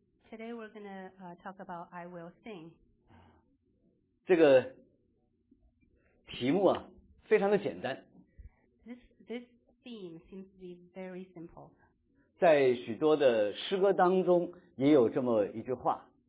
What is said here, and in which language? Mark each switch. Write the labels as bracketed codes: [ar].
[en] Today we're going to talk about I will sing. [zh] 这个题目啊非常的简单。 [en] This theme seems to be very simple. [zh] 在许多的诗歌当中也有这么一句话。